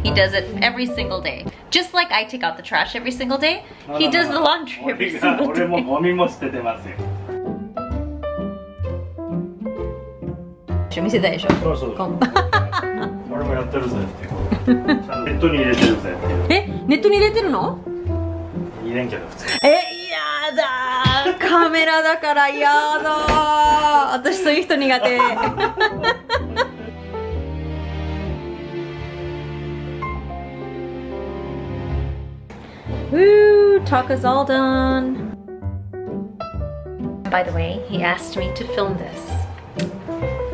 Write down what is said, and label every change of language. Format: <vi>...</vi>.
<en>He does it every single day. Just like I take out the trash every single day, he does the laundry every single day.</en> <ja>カメラだからやだー私そういう人苦手Woo!</ja> <en>Talk is all done! By the way, he asked me to film this.</en>